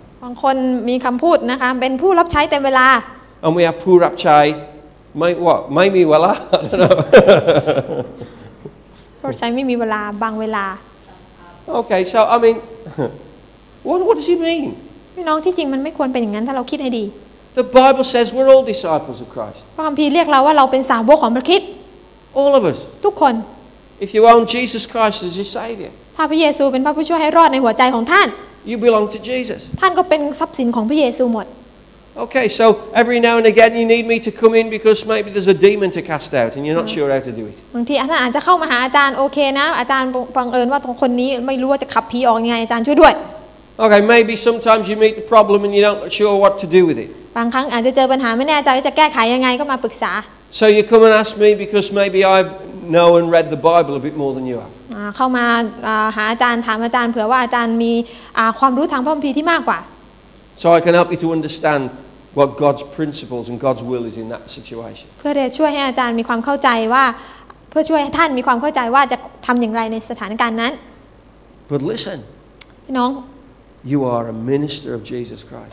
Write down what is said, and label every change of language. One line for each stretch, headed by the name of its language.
Thai: บางคนมีคำพูดนะคะเป็นผู้รับใช้เต็มเวลา
English: And we have
Thai: ผู้รับใช้ไม่ว่าไม่มีเวลา เพราะฉันไม่มีเวลาบางเวลา
English: โอเค so I mean what does he mean
Thai: พี่น้องที่จริงมันไม่ควรเป็นอย่างนั้นถ้าเราคิดให้ดี
English: The Bible says we're all disciples of Christ
Thai: พระคัมภีร์เรียกเราว่าเราเป็นสาวกของพระคริสต์
English: All of us
Thai: ทุกคน
English: If you own Jesus Christ as your Savior
Thai: ถ้าพระเยซูเป็นพระผู้ช่วยให้รอดในหัวใจของท่าน
English: You belong to Jesus
Thai: ท่านก็เป็นทรัพย์สินของพระเยซูหมด
English: Okay, so every now and again you need me to come in because maybe there's a demon to cast out and you're not sure how to do it.
Thai: บางทีอาจารย์จะเข้ามาหาอาจารย์โอเคนะอาจารย์บังเอิญว่าตรงคนนี้ไม่รู้ว่าจะขับผีออกยังไงอาจารย์ช่วยด้วย
English: Okay, maybe sometimes you meet the problem and you're not sure what to do with it.
Thai: บางครั้งอาจจะเจอปัญหาไม่แน่ใจว่าจะแก้ไขยังไงก็มาปรึกษา
English: So you come and ask me because maybe I know and read the Bible a bit more than you have.
Thai: เข้ามาหาอาจารย์ถามอาจารย์เผื่อว่าอาจารย์มีความรู้ทางพระคัมภีร์ที่มากกว่า
English: So I can help you to understand what God's principles and God's will is in that situation.
Thai: เพื่อจะช่วยให้อาจารย์มีความเข้าใจว่าเพื่อช่วยให้ท่านมีความเข้าใจว่าจะทำอย่างไรในสถานการณ์นั้น
English: But listen.
Thai: พี่น้อง
English: You are a minister of Jesus Christ.